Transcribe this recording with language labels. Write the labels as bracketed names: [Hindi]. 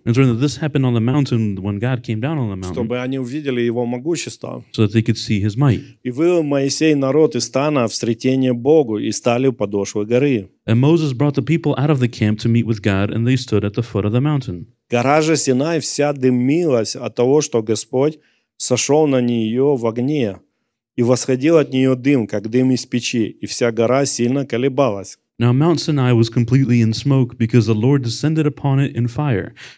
[English] And so this happened on the mountain when God came down on the mountain. [Russian] Чтобы они увидели его могущество. [English] So that they could see his might. [Russian] И вывел Моисей народ из стана в встретение Богу и стали у подошвы горы. [English] And Moses brought the people out of the camp to meet with God and they stood at the foot of the mountain. [Russian] Гора же Синай вся дымилась от того, что Господь сошел на нее в огне, и восходил от нее дым, как дым из печи, и вся гора сильно колебалась. [English] Now Mount Sinai was completely in smoke because the Lord descended upon it in fire.